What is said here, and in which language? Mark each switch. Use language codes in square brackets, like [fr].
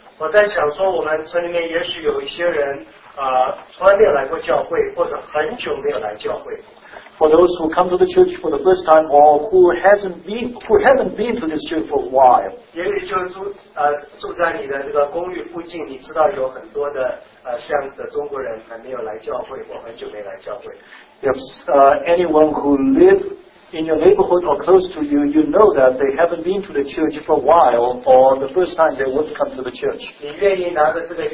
[zh] 我在想说我们村里面也许有一些人从来没有来过教会或者很久没有来教会。 [en] For those who come to the church for the first time or who haven't been to this church for a while. [zh] 也许就住在你的这个公寓附近你知道有很多的这样子的中国人还没有来教会或很久没来教会。 [en] If anyone who lives in your neighborhood or close to you, you know that they haven't been to the church for a while, or the first time they would come to the church.